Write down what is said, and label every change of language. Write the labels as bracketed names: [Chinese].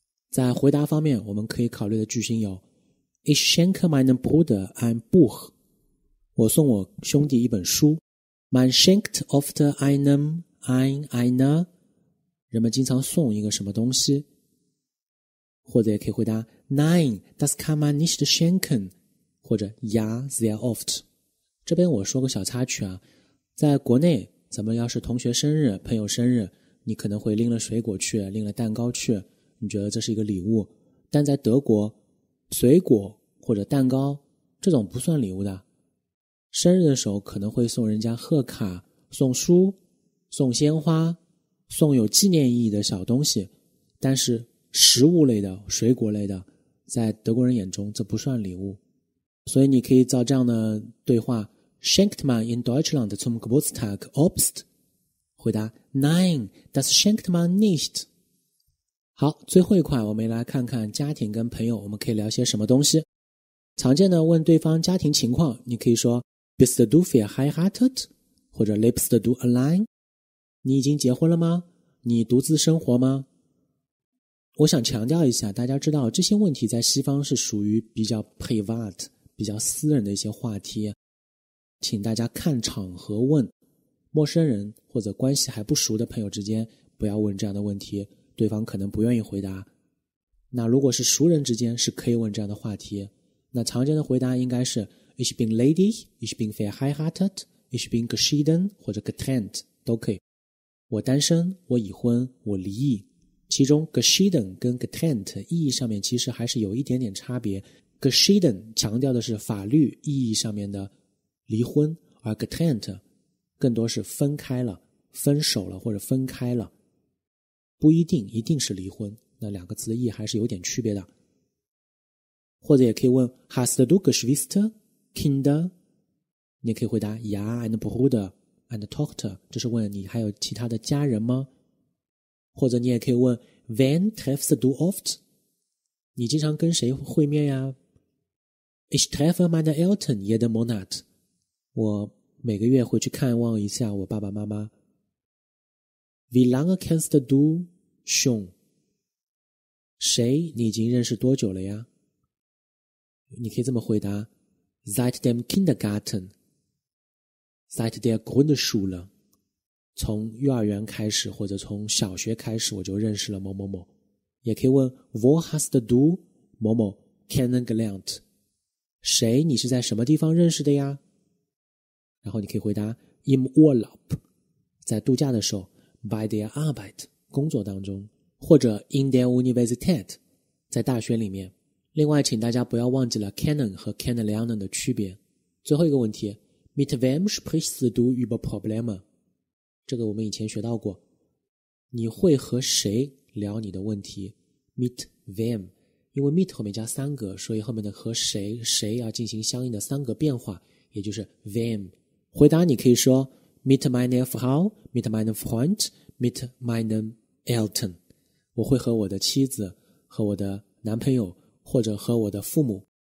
[Chinese] 在回答方面我们可以考虑的句型有 [German] Ich schenke meinen Bruder ein Buch， [Chinese] 我送我兄弟一本书。 [German] Man schenkt oft einem einer， [Chinese] 人们经常送一个什么东西。或者也可以回答 [German] Nein, das kann man nicht schenken， [Chinese] 或者 [German] Ja, sehr oft。 [Chinese] 这边我说个小插曲啊，在国内咱们要是同学生日朋友生日，你可能会拎了水果去，拎了蛋糕去，你觉得这是一个礼物。但在德国，水果或者蛋糕，这种不算礼物的。生日的时候可能会送人家贺卡、送书、送鲜花、送有纪念意义的小东西，但是食物类的、水果类的，在德国人眼中这不算礼物。所以你可以造这样的对话： [German] Schenkt man in Deutschland zum Geburtstag Obst? [Chinese] 回答： [German] Nein, das schenkt man nicht。 [Chinese] 好，最后一块我们来看看家庭跟朋友我们可以聊些什么东西。常见的问对方家庭情况，你可以说 [German] Bist du verheiratet? 或者 Lebst du allein? [Chinese] 你已经结婚了吗？你独自生活吗？我想强调一下，大家知道这些问题在西方是属于比较 private、 比较私人的一些话题，请大家看场合问。陌生人或者关系还不熟的朋友之间不要问这样的问题，对方可能不愿意回答。那如果是熟人之间是可以问这样的话题。那常见的回答应该是 [German] Ich bin ledig, ich bin verheiratet, ich bin geschieden [Chinese] 或者 [German] getrennt [Chinese] 都可以。我单身，我已婚，我离异。其中 geschieden 跟 getrennt 意义上面其实还是有一点点差别。 geschieden 强调的是法律意义上面的离婚，而 getrennt 更多是分开了、分手了或者分开了，不一定一定是离婚，那两个词的意义还是有点区别的。或者也可以问 [German] Hast du Geschwister, Kinder? [Chinese] 你可以回答 [German] Ja, ein Bruder, ein Tochter, [Chinese] 这是问你还有其他的家人吗？或者你也可以问 [German] Wen treffst du oft? [Chinese] 你经常跟谁会面呀？ [German] Ich treffe meine Eltern jeden Monat, [Chinese] 我每个月会去看望一下我爸爸妈妈。 [German] Wie lange kennst du schon? [Chinese] 谁你已经认识多久了呀？你可以这么回答： [German] Seit dem Kindergarten, seit der Grundschule, [Chinese] 从幼儿园开始或者从小学开始我就认识了某某某。也可以问： [German] Wo hast du [Chinese] 某某 [German] kennengelernt? [Chinese] 谁你是在什么地方认识的呀？然后你可以回答： [German] Im Urlaub, [Chinese] 在度假的时候， [German] bei der Arbeit, [Chinese] 工作当中，或者 [German] in der Universität, [Chinese] 在大学里面。另外请大家不要忘记了 Kennen 和 Kennenlernen 的区别。最后一个问题， [German] Mit wem sprichst du über Probleme? [Chinese] 这个我们以前学到过，你会和谁聊你的问题？ [German] Mit wem， [Chinese] 因为 Mit 后面加三个，所以后面的和谁谁要进行相应的三个变化，也就是 wem。回答你可以说 [German] Mit meiner Frau, Mit meinem Freund, Mit meinem Eltern， [Chinese] 我会和我的妻子，和我的男朋友，或者和我的父母。